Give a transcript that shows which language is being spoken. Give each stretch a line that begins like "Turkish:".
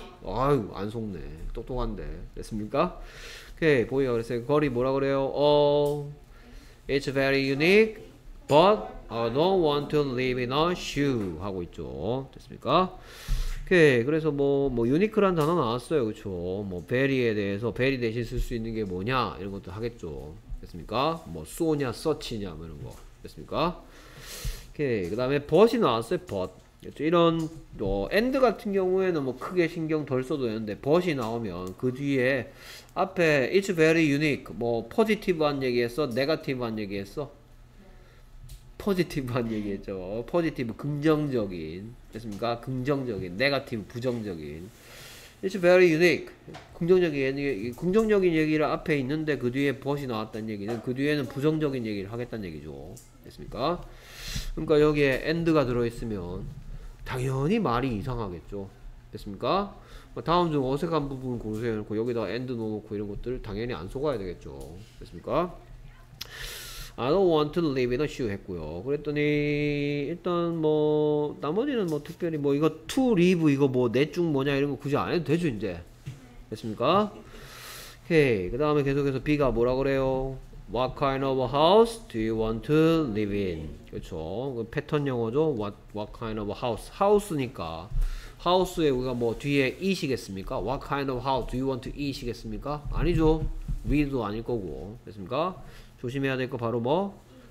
Korean: 아유, 안 속네. 똑똑한데. 됐습니까? 오케이, 보이가 그랬어요. 거리 뭐라 그래요?
English: It's very unique, but I don't want to live in a shoe.
Korean: 하고 있죠. 됐습니까? 오케이, 그래서 뭐, 유니크란 단어 나왔어요. 그쵸? 뭐, very에 대해서, very 대신 쓸 수 있는 게 뭐냐? 이런 것도 하겠죠. 됐습니까? 뭐, so냐, such냐, 뭐 이런 거. 됐습니까? 오케이, 그 다음에 but이 나왔어요. but. 이런 뭐 end 같은 경우에는 뭐 크게 신경 덜 써도 되는데 but이 나오면 그 뒤에 앞에
English: it's very unique
Korean: 뭐 positive한 얘기했어? negative한 얘기했어? positive한 얘기했죠. positive 긍정적인 됐습니까? 긍정적인 negative 부정적인
English: it's very unique
Korean: 긍정적인 얘기를 앞에 있는데 그 뒤에 but이 나왔다는 얘기는 그 뒤에는 부정적인 얘기를 하겠다는 얘기죠. 됐습니까? 그러니까 여기에 end가 들어있으면 당연히 말이 이상하겠죠. 됐습니까? 다음 중 어색한 부분 고르세요. 놓고 여기다 end 넣어놓고 이런 것들을 당연히 안 속아야 되겠죠. 됐습니까?
English: I don't want to live in a shoe
Korean: 했고요. 그랬더니 일단 뭐 나머지는 뭐 특별히 뭐 이거 to live 이거 뭐 내쭉 뭐냐 이런 거 굳이 안 해도 되죠 이제. 됐습니까? 오케이. 그 다음에 계속해서 B가 뭐라 그래요? What kind of a house do you want to live in? 그렇죠. 패턴 영어죠.
English: What kind of a house?
Korean: House니까 house에 우리가 뭐 뒤에 it이겠습니까?
English: What kind of house do you want to it이겠습니까?
Korean: 아니죠. We도 아닐 거고. 됐습니까? 조심해야 될 거 바로 뭐?